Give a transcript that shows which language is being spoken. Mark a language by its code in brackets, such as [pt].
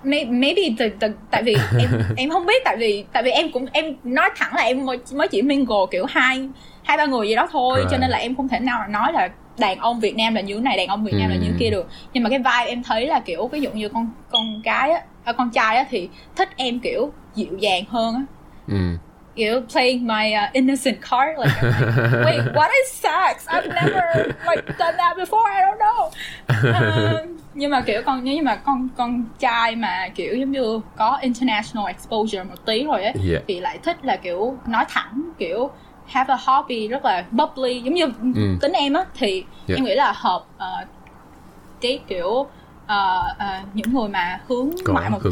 [en] Maybe the [vi] tại vì em không biết, tại vì em nói thẳng là em mới chỉ mingle kiểu hai ba người gì đó thôi, right. Cho nên là em không thể nào nói là đàn ông Việt Nam là như thế này, đàn ông Việt Nam là như kia được. Nhưng mà cái vibe em thấy là kiểu ví dụ như con gái á, con trai á thì thích em kiểu dịu dàng hơn á. [en] Kiểu playing my innocent card, like, I'm like, wait, what is sex? I've never like done that before. I don't know. [vi] Nhưng mà kiểu con trai mà kiểu giống như có international exposure một tí rồi á, thì lại thích là kiểu nói thẳng, kiểu [en] have a hobby [vi] rất là bubbly, giống như tính em á, thì em nghĩ là hợp cái kiểu những người mà hướng ngoại một